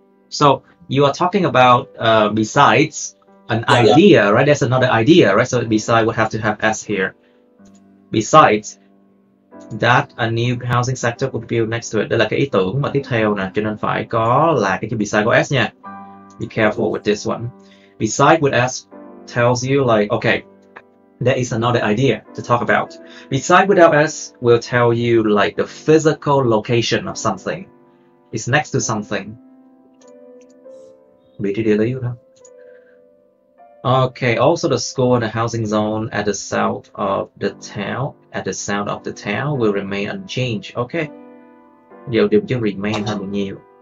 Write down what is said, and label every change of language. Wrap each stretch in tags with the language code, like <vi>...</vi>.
<en>So you are talking about besides an idea, right? There's another idea, right? So beside would have to have S here. Besides that, a new housing sector would build next to it.</en> <vi>Đây là cái ý tưởng mà tiếp theo nè, cho nên phải có là cái chữ beside có S nha.</vi> <en>Be careful with this one. Beside with S tells you like, okay, there is another idea to talk about. Beside without S will tell you like the physical location of something. It's next to something. Okay, also the school and the housing zone at the south of the town, at the south of the town will remain unchanged. Okay.</en> <vi>Điều điểm chữ remain hơn nhiều.</vi>